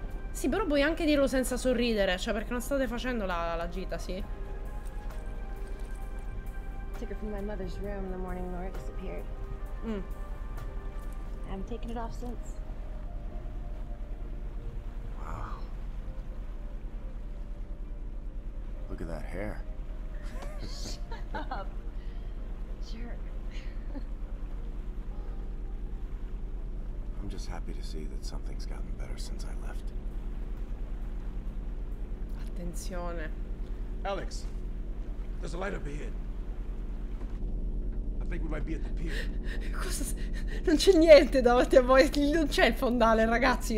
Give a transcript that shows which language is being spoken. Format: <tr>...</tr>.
<it>Sì, però puoi anche dirlo senza sorridere, cioè perché non state facendo la gita, sì.</it> <en>Took it from my mother's room the morning Laura disappeared. Mm. I haven't taken it off since. Wow. Look at that hair. Shut up. Jerk. I'm just happy to see that something's gotten better since I left.</en> <it>Attenzione.</it> <en>Alex, there's a light up ahead. I think we might be at the pier.</en> <it>Cosa? Non c'è niente davanti a voi. Non c'è il fondale, ragazzi.</it>